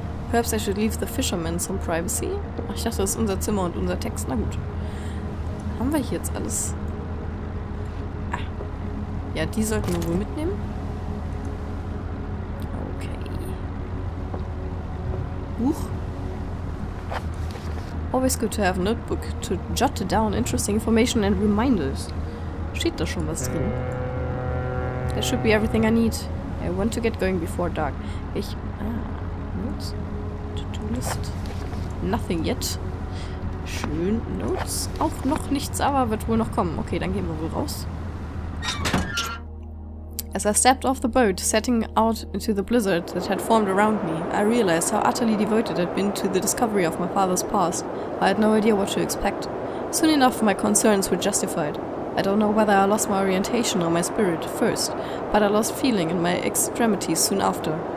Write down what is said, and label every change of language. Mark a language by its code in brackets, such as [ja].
[en] Perhaps I should leave the fisherman some privacy. [de] Ach, ich dachte, das ist unser Zimmer und unser Text. Na gut. Haben wir hier jetzt alles? Ah. Ja, die sollten wir wohl mitnehmen. Okay. Huch. [en] Always good to have a notebook to jot down interesting information and reminders. [de] Steht da schon was drin? [en] That should be everything I need. I want to get going before dark. Ich... Notes. To-do list. Nothing yet. Schön. Notes. [de] Auch noch nichts, aber wird wohl noch kommen. Okay, dann gehen wir wohl raus. [en] As I stepped off the boat, setting out into the blizzard that had formed around me, I realized how utterly devoted I'd been to the discovery of my father's past. I had no idea what to expect. Soon enough, my concerns were justified. I don't know whether I lost my orientation or my spirit first, but I lost feeling in my extremities soon after.